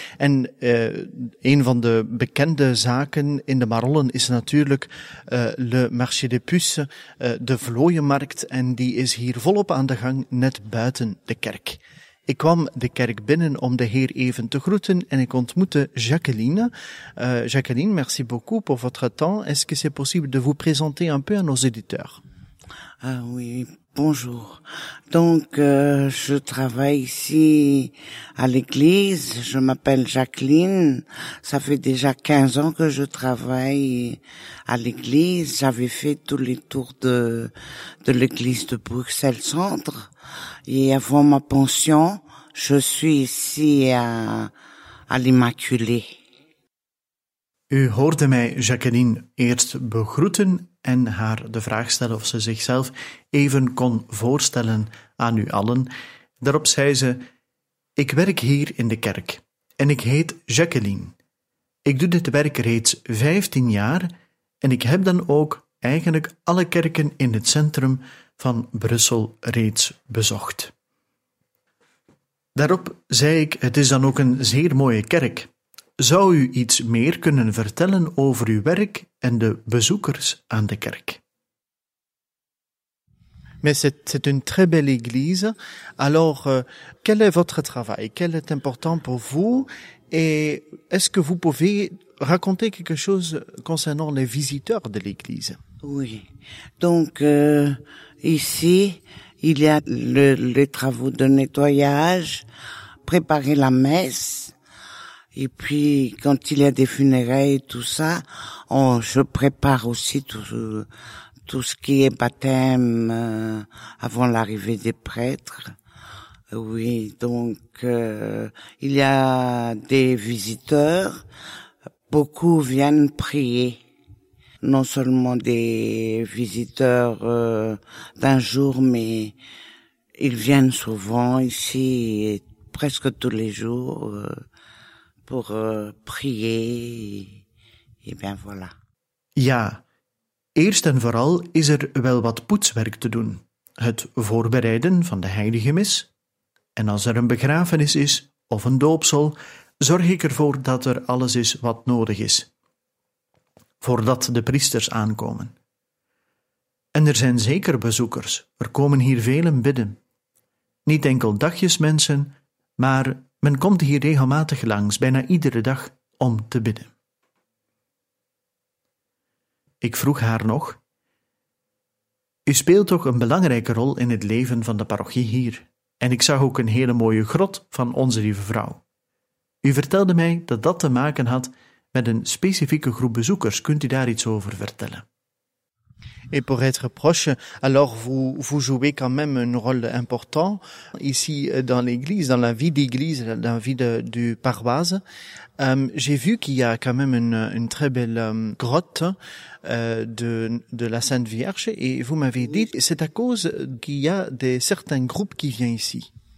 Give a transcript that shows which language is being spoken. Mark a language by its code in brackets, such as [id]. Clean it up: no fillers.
[nl] En een van de bekende zaken in de Marollen is natuurlijk Le Marché des Puces, de Vlooienmarkt, en die is hier volop aan de gang, net buiten de kerk. Ik kwam de kerk binnen om de Heer even te groeten en ik ontmoette Jacqueline. [fr] Jacqueline, merci beaucoup pour votre temps. Est-ce que c'est possible de vous présenter un peu à nos éditeurs? Ah oui, bonjour. Donc, je travaille ici à l'église. Je m'appelle Jacqueline. Ça fait déjà 15 ans que je travaille à l'église. J'avais fait tous les tours de l'église de Bruxelles-Centre. Et avant ma pension, je suis ici à l'Immaculée. [nl] U hoorde mij Jacqueline eerst begroeten en haar de vraag stellen of ze zichzelf even kon voorstellen aan u allen. Daarop zei ze: ik werk hier in de kerk en ik heet Jacqueline. Ik doe dit werk reeds 15 jaar en ik heb dan ook eigenlijk alle kerken in het centrum van Brussel reeds bezocht. Daarop zei ik: het is dan ook een zeer mooie kerk. Zou u iets meer kunnen vertellen over uw werk en de bezoekers aan de kerk? [fr] Mais c'est une très belle église. Alors, quel est votre travail? Quel est important pour vous? Et est-ce que vous pouvez raconter quelque chose concernant les visiteurs de l'église? Oui. Donc, ici, il y a les travaux de nettoyage, préparer la messe. Et puis, quand il y a des funérailles et tout ça, je prépare aussi tout ce qui est baptême avant l'arrivée des prêtres. Oui, donc, il y a des visiteurs. Beaucoup viennent prier. Non seulement des visiteurs d'un jour, mais ils viennent souvent ici, presque tous les jours, pour prier, et bien voilà. [nl] Ja, eerst en vooral is er wel wat poetswerk te doen. Het voorbereiden van de heilige mis. En als er een begrafenis is, of een doopsel, zorg ik ervoor dat er alles is wat nodig is, voordat de priesters aankomen. En er zijn zeker bezoekers, er komen hier velen bidden. Niet enkel dagjes mensen, maar men komt hier regelmatig langs, bijna iedere dag, om te bidden. Ik vroeg haar nog: u speelt toch een belangrijke rol in het leven van de parochie hier, en ik zag ook een hele mooie grot van Onze Lieve Vrouw. U vertelde mij dat dat te maken had met een specifieke groep bezoekers. Kunt u daar iets over vertellen? [fr] Et pour être proche, alors vous jouez quand même un rôle important ici dans l'église, dans la vie d'église, dans la vie du paroisse. J'ai vu qu'il y a quand même une très belle grotte de la Sainte Vierge et vous m'avez dit c'est à cause qu'il y a certains groupes qui viennent ici.